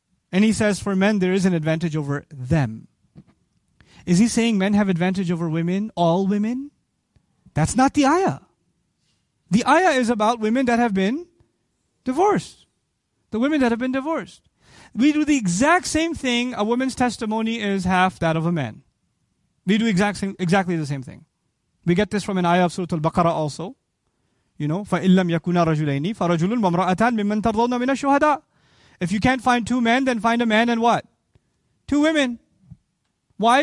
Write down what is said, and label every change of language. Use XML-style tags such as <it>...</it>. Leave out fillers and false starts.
<en>And he says, for men, there is an advantage over them. Is he saying men have advantage over women, all women? That's not the ayah. The ayah is about women that have been divorced. The women that have been divorced. We do the exact same thing. A woman's testimony is half that of a man. We do exactly the same thing. We get this from an ayah of Surah Al-Baqarah also. You know,</en> <ar>فَإِنْ لَمْ يَكُنَا رَجُلَيْنِ فَرَجُلٌ وَمْرَأَتَانِ مِمَّنْ تَرْضَوْنَ مِنَ الشُّهَدَاءِ.</ar> <en>If you can't find two men, then find a man and what? Two women. Why?</en>